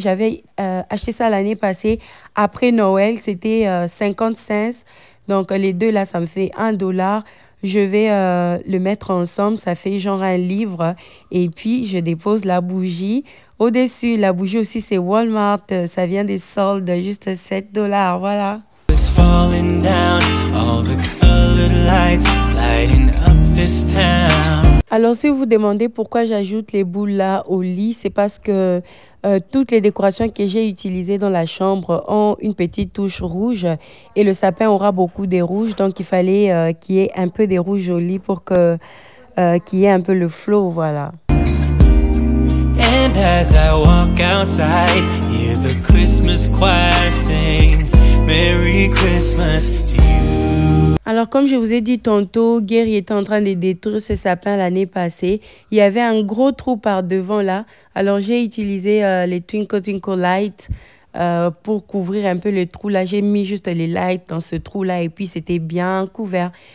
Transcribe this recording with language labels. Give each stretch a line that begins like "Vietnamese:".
French: J'avais acheté ça l'année passée. Après Noël, c'était 50 cents. Donc les deux là, ça me fait 1 $. Je vais le mettre ensemble, ça fait genre un livre. Et puis, je dépose la bougie au-dessus. La bougie aussi, c'est Walmart. Ça vient des soldes, juste 7 $. Voilà.
English: It's falling down, all the colored lights lighting up this town.
French: Alors, si vous vous demandez pourquoi j'ajoute les boules là au lit, c'est parce que toutes les décorations que j'ai utilisées dans la chambre ont une petite touche rouge et le sapin aura beaucoup de rouge. Donc, il fallait qu'il y ait un peu de rouge au lit pour que, qu'il y ait un peu le flow, voilà.
English: And as I walk outside, hear the Christmas choir sing, Merry Christmas to you.
French: Alors, comme je vous ai dit tantôt, Gary était en train de détruire ce sapin l'année passée. Il y avait un gros trou par devant là. Alors, j'ai utilisé les Twinkle Twinkle Light pour couvrir un peu le trou. Là, j'ai mis juste les lights dans ce trou là et puis c'était bien couvert.